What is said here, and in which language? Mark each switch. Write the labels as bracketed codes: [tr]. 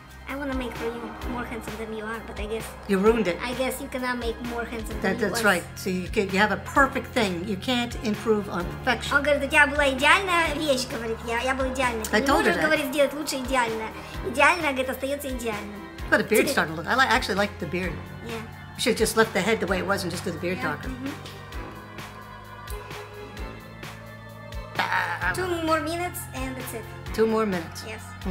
[en] I want to make for you more handsome than you are, but I guess... You ruined it. I guess you cannot make more handsome than you was. That's right. So you have a perfect thing. You can't improve on perfection. [ru] Он говорит, у тебя была идеальная вещь, говорит. Я был идеальный. [en] I told her that. [ru] Ты не можешь, говорит, сделать лучше идеально. Идеально, говорит, остается идеально. [en] But the beard's starting to look... I actually like the beard. Yeah. You should have just left the head the way it was and just do the beard talker. Two more minutes and that's it. Two more minutes. Yes.